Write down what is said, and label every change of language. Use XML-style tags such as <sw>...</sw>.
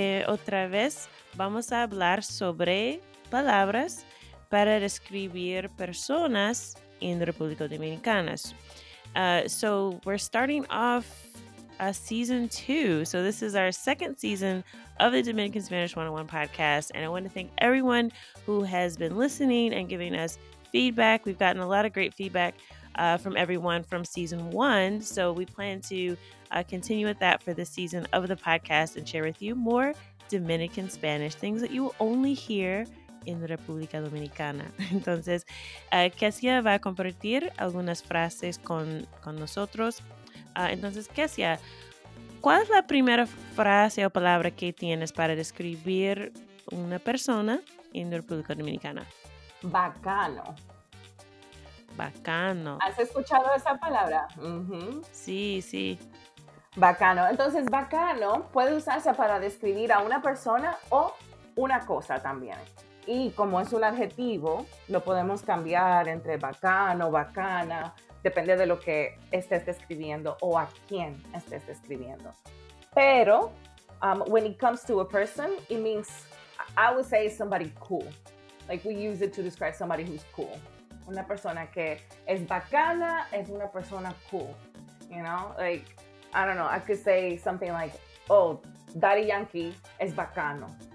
<es>Otra vez vamos a hablar sobre palabras para describir personas en República Dominicana.</es> <en>So we're starting off a season two. So this is our second season of the Dominican Spanish 101 podcast. And I want to thank everyone who has been listening and giving us feedback. We've gotten a lot of great feedback from everyone from season one. So we plan to continue with that for this season of the podcast and share with you more Dominican Spanish, things that you will only hear</en> <es>en República Dominicana. Entonces, Kesia va a compartir algunas frases con nosotros. Entonces, Kesia, ¿cuál es la primera frase o palabra que tienes para describir una persona en República Dominicana? Bacano. Bacano. ¿Has escuchado esa palabra? Uh-huh. Sí, sí. Bacano. Entonces, bacano puede usarse para describir a una persona o una cosa también. Y como es un adjetivo, lo podemos cambiar entre bacano, bacana, depende de lo que estés describiendo o a quién estés describiendo.</es> <en>Pero, when it comes to a person, it means, I would say somebody cool. Like we use it to describe somebody who's cool.</en> <es>Una persona que es bacana es una persona cool.</es> <en>You know, like, I don't know, I could say something like, oh, Daddy Yankee</en> <es>es bacano.</es>